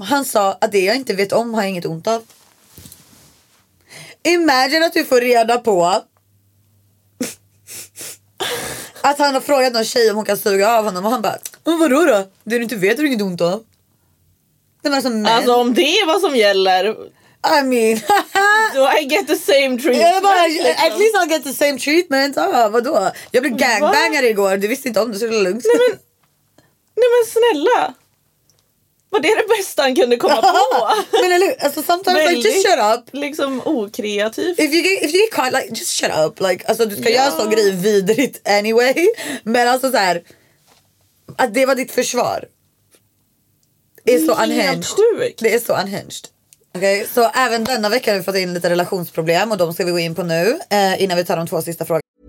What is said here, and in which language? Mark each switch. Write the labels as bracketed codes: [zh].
[sv] Han sa att det jag inte vet om har inget ont av. Imagine att du får reda på att han har frågat någon tjej om hon kan suga av honom. Och han bara, men vadå då? Det du inte vet har inget ont av. Det var som män. Alltså om det är vad som gäller. [en] I mean. Do I get the same treatment? [sv] Jag bara, [en] at least I'll get the same treatment. [sv] Ah, vadå? Jag blev gangbanger igår. Du visste inte om det, så det var lugnt. Nej men snälla. Vad det är det bästa han kunde komma på? Men eller alltså [en] sometimes like just shut up. [sv] Liksom okreativ. [en] If you get caught, like just shut up. [sv] Like alltså du ska göra sån grej vidrigt anyway. Men alltså så här, att det var ditt försvar. är så unhinged. Det är så unhinged. Okej, okay, så även denna vecka har vi fått in lite relationsproblem och de ska vi gå in på nu innan vi tar de två sista frågorna.